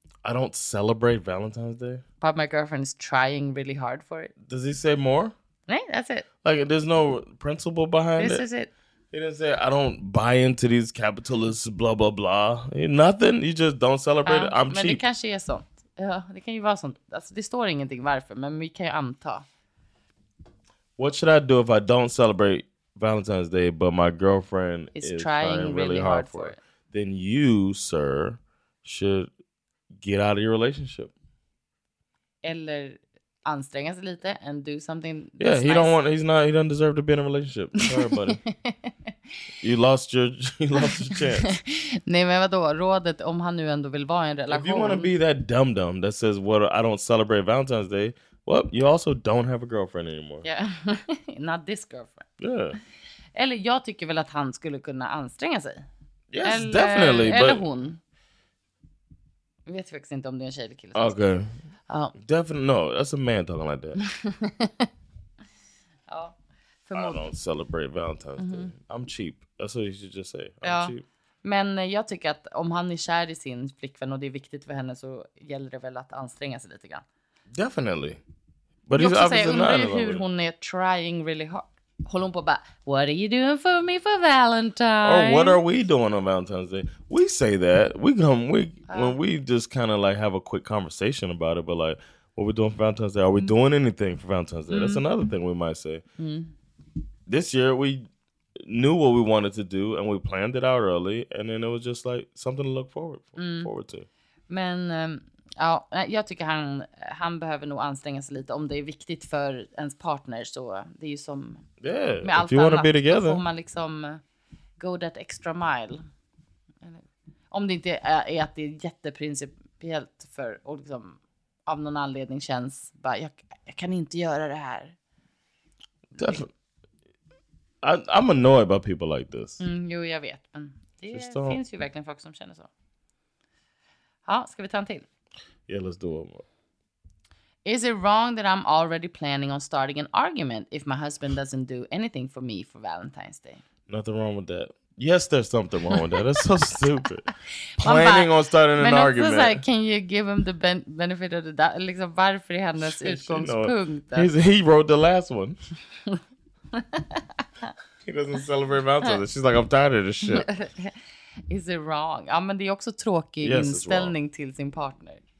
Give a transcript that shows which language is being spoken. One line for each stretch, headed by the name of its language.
English: I don't celebrate Valentine's Day? But my girlfriend is trying really hard for it. Does he say more? No, that's it. Like, there's no principle behind this it. This is it. He didn't say, I don't buy into these capitalists, blah, blah, blah. Nothing. You just don't celebrate it. I'm
Swedish: men
English: cheap.
Swedish: Men det kanske är sånt. Ja, det kan ju vara sånt. Alltså, det står ingenting varför, men vi kan ju anta.
English: What should I do if I don't celebrate Valentine's Day, but my girlfriend is trying really hard for it? Then you, sir, should get out of your relationship.
Swedish: Eller anstränga sig lite
English: and do something. Yeah, he don't want. He doesn't deserve to be in a relationship. Sorry, buddy. You lost your chance.
Swedish: Nej, men vadå? Rådet, om han nu ändå vill vara i en relation.
English: If you want to be that dumb dumb that says, "What? I don't celebrate Valentine's Day." Well, you also don't have a girlfriend anymore. Yeah, not this girlfriend. Yeah.
Swedish: Eller jag tycker väl att han skulle kunna anstränga sig.
English: Yes,
Swedish: eller,
English: definitely.
Swedish: Eller
English: but...
Swedish: hon. Jag vet faktiskt inte om det är en tjej eller kille. Okej.
English: Okay. Definitely no. That's a man talking like that.
Swedish: Ja, förmodligen.
English: I don't celebrate Valentine's Day. I'm cheap. That's what you should just say. I'm cheap.
Swedish: Men jag tycker att om han är kär i sin flickvän och det är viktigt för henne, så gäller det väl att anstränga sig lite grann.
English: Definitely.
Swedish: But jag också säga, undrar hur hon är
English: trying really hard.
Swedish: Håller hon på bara,
English: what are you doing for me for Valentine? Or what are we doing on Valentine's Day? We say that. When we just kind of like have a quick conversation about it. But like, what are we doing for Valentine's Day? Are we doing anything for Valentine's Day? That's another thing we might say. This year, we knew what we wanted to do. And we planned it out early. And then it was just like something to look forward to.
Swedish: Men... ja, jag tycker han behöver nog anstränga sig lite om det är viktigt för ens partner, så det är ju som med allt annat, då får man liksom
English: go that extra mile.
Swedish: Om det inte är att det är jätteprincipiellt för, och liksom av någon anledning känns bara, jag kan inte göra det här.
English: I'm annoyed by people like this.
Swedish: Jo, jag vet, men det finns ju verkligen folk som känner så. Ja, ska vi ta en till?
English: Yeah, let's do it more. Is it wrong that I'm already planning on starting an argument if my husband doesn't do anything for me for Valentine's Day? Nothing wrong with that. Yes, there's something wrong with that. That's so stupid. Planning on starting an argument.
Swedish: Men
English: like, can you give him the benefit of the doubt?
Swedish: Liksom, varför är hennes utgångspunkt?
English: He wrote the last one. He doesn't celebrate Valentine's Day. She's like, I'm tired of this shit. Is it wrong?
Swedish: Ja, men det är också tråkig inställning till sin partner.